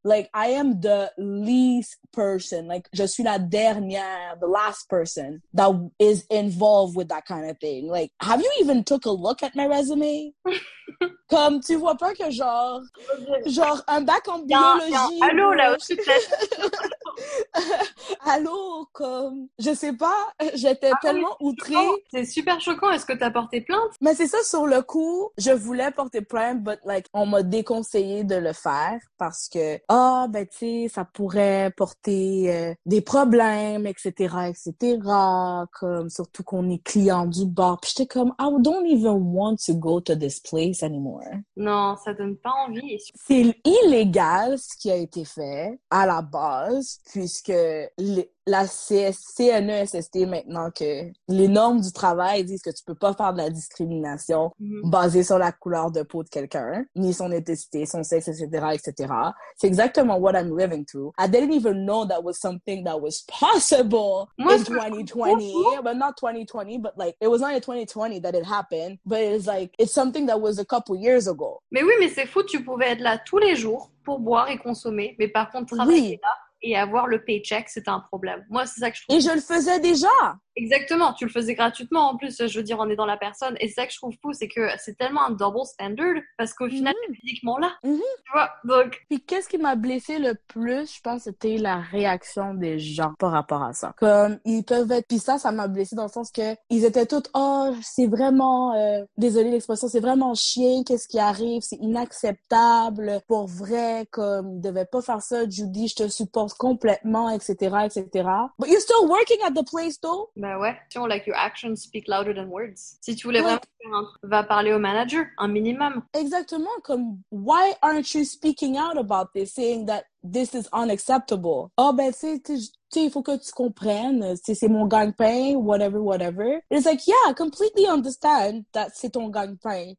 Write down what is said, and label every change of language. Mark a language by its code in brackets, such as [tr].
[en] Like, I am the least person, like, [fr] je suis la dernière, [en] the last person that is involved with that kind of thing. Like, have you even took a look at my resume? [fr] Comme, tu vois pas que genre un bac en biologie? Allô, là où tu t'es? Allô, comme, je sais pas, j'étais tellement outrée. C'est super choquant. Est-ce que t'as porté plainte? Mais c'est ça, sur le coup, je voulais porter plainte, [en] but like, [fr] on m'a déconseillé de le faire parce que, oh, ben, tu sais, ça pourrait porter des problèmes, etc., etc., comme, surtout qu'on est client du bar. Puis j'étais comme, [en] I don't even want to go to this place anymore. [fr] Non, ça donne pas envie. C'est illégal ce qui a été fait à la base, puisque la CNESST, maintenant que les normes du travail disent que tu peux pas faire de la discrimination basée sur la couleur de peau de quelqu'un, ni son ethnicité, son sexe, etc., etc. C'est exactement [en] what I'm living through. I didn't even know that was something that was possible. Moi, in 2020. But not 2020, but like, it was not in 2020 that it happened, but it's like, it's something that was a couple years ago. [fr] Mais oui, mais c'est fou, tu pouvais être là tous les jours pour boire et consommer, mais par contre, travailler là et avoir le paycheck, c'était un problème. Moi, c'est ça que je trouve. Et je le faisais déjà. Exactement, tu le faisais gratuitement en plus, je veux dire, on est dans la personne. Et c'est ça que je trouve fou, c'est que c'est tellement un double standard, parce qu'au final, t'es physiquement là. Tu vois, donc... Puis qu'est-ce qui m'a blessée le plus, je pense, c'était la réaction des gens par rapport à ça. Comme, ils peuvent être... Puis ça m'a blessée dans le sens que ils étaient tous, oh, c'est vraiment... désolé l'expression, c'est vraiment chien, qu'est-ce qui arrive, c'est inacceptable, pour vrai, comme, ils devaient pas faire ça, Judy, je te supporte complètement, etc., etc. [en] But you're still working at the place, though? [fr] Ben ouais, [en] like your actions speak louder than words. [fr] Si tu voulais vraiment faire un, va parler au manager, un minimum. Exactement, comme, [en] why aren't you speaking out about this, saying that this is unacceptable? [fr] Oh, ben, c'est, tu sais, il faut que tu comprennes, c'est mon gagne-pain, [en] whatever, whatever. It's like, yeah, completely understand that [fr] c'est ton gagne-pain.